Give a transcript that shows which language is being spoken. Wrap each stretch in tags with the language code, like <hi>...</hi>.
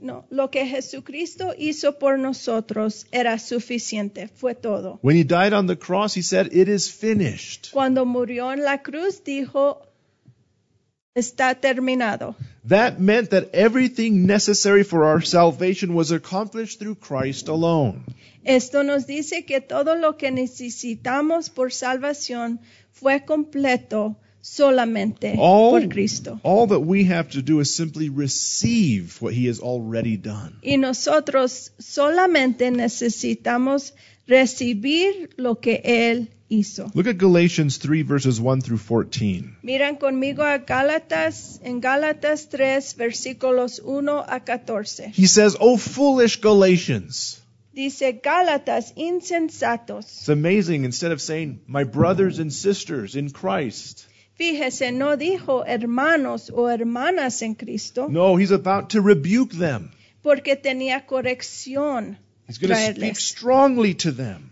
<es>Lo que Jesucristo hizo por nosotros era suficiente, fue todo.</es> <en>When he died on the cross, he said, it is finished.</en> <es>Cuando murió en la cruz, dijo, está terminado.</es> <en>That meant that everything necessary for our salvation was accomplished through Christ alone.</en> <es>Esto nos dice que todo lo que necesitamos por salvación fue completo solamente por Cristo.</es> <en>All that we have to do is simply receive what He has already done.</en> <es>Y nosotros solamente necesitamos recibir lo que Él hizo.</es> <en>Look at Galatians 3, verses 1 through 14.</en> <es>Miran conmigo a Gálatas, en Gálatas 3, versículos 1 a 14.</es> <en>He says, "O foolish Galatians."</en> <es>Dice, Gálatas, insensatos.</es> <en>It's amazing, instead of saying, "My brothers and sisters in Christ."</en> <es>Fíjese, no dijo hermanos o hermanas en Cristo.</es> <en>No, he's about to rebuke them.</en> <es>Porque tenía corrección.</es> <en>He's going to speak strongly to them.</en>